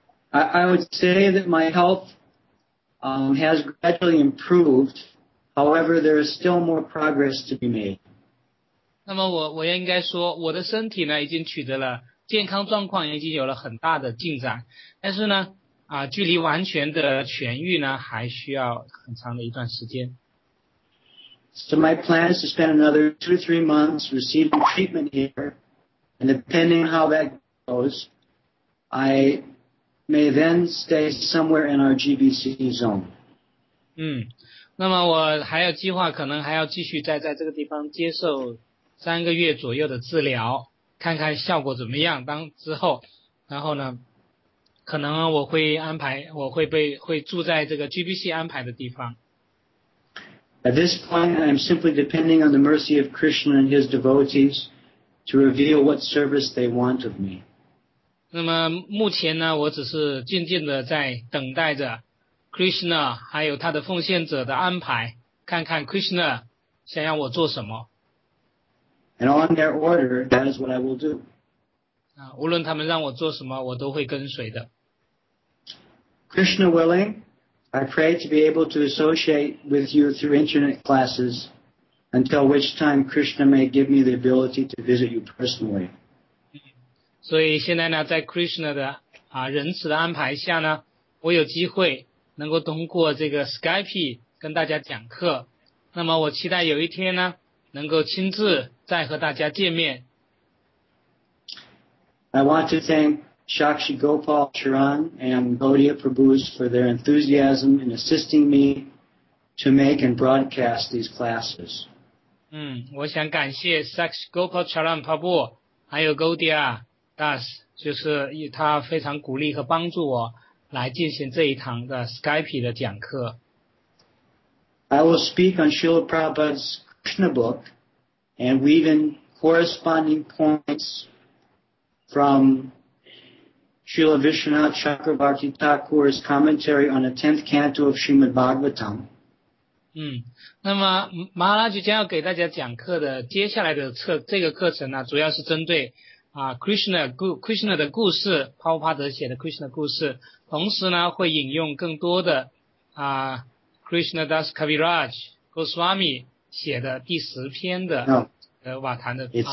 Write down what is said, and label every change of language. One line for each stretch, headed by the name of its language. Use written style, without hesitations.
English: I would say that my health has gradually improved. However, there is still more progress to be made。
Chinese: 那么我应该说，我的身体呢已经取得了健康状况，已经有了很大的进展，但是呢。距离完全的痊愈呢还需要很长的一段时间。
English: So my plan is to spend another 2 to 3 months receiving treatment here, and depending on how that goes, I may then stay somewhere in our GBC zone.
Chinese: 那么我还有计划，可能还要继续在这个地方接受3个月左右的治疗，看看效果怎么样，当之后，然后呢可能我会安排，我会被会住在这个 GBC 安排的地方。
English: At this point, I am simply depending on the mercy of Krishna and his devotees to reveal what service they want of me.
Chinese: 那么目前呢，我只是静静的在等待着 Krishna 还有他的奉献者的安排，看看 Krishna 想要我做什么。
English: And on their order, that is what I will do.
Chinese: 无论他们让我做什么，我都会跟随的。
English: Krishna willing, I pray to be able to associate with you through internet classes, until which time Krishna may give me the ability to visit you personally.
Chinese: 所以现在呢，在 Krishna 的仁慈的安排下呢，我有机会能够通过这个 Skype 跟大家讲课。那么我期待有一天呢，能够亲自再和大家见面。
English: I want to thank Shakshi Gopal Charan and Gaudiya Prabhus for their enthusiasm in assisting me to make and broadcast these classes.
Chinese: 我想感谢 Shakshi Gopal Charan Prabhu 还有 Gaudiya Das， 就是他非常鼓励和帮助我来进行这一堂的 Skype 的讲课。
English: I will speak on Srila Prabhupada's Krishna book and weave in corresponding points from Srila Vishwanath Chakravarti Thakur's commentary on the 10th canto of Srimad Bhagavatam.
Chinese: 那么马哈拉吉将要给大家讲课的接下来的这个课程呢，主要是针对Krishna 的故事，帕帕德写的 Krishna 的故事，同时呢会引用更多的Krishna Das Kaviraj Goswami 写的第十篇的瓦坛的